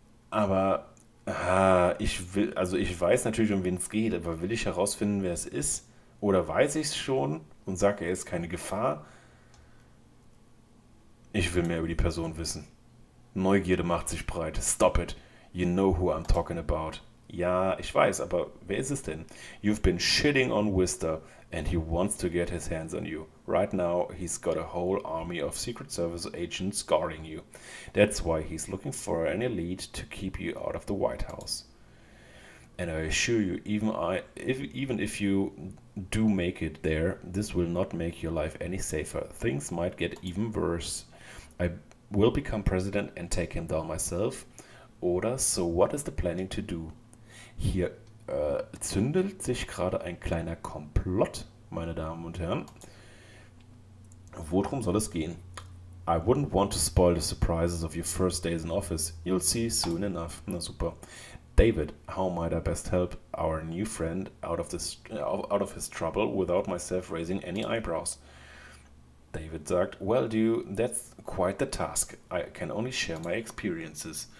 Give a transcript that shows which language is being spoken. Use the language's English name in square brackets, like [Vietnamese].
[German] Aber ich weiß natürlich, um wen es geht, aber will ich herausfinden, wer es ist? Oder weiß ich es schon und sage, er ist keine Gefahr? Ich will mehr über die Person wissen. Neugierde macht sich breit. [English] Stop it. You know who I'm talking about. [German] Ja, ich weiß, aber wer ist es denn? [English] You've been shitting on Wister and he wants to get his hands on you. Right now he's got a whole army of Secret Service agents guarding you. That's why he's looking for any lead to keep you out of the White House. And I assure you, even if you do make it there, this will not make your life any safer. Things might get even worse. I will become president and take him down myself. Oder, so what is the planning to do? [German] Hier zündelt sich gerade ein kleiner Komplott, meine Damen und Herren. Worum soll es gehen? [English] I wouldn't want to spoil the surprises of your first days in office. You'll see soon enough. [German] Na super. [English] David, how might I best help our new friend out of his trouble without myself raising any eyebrows? [German] David sagt, [English] well, dude, that's quite the task. I can only share my experiences.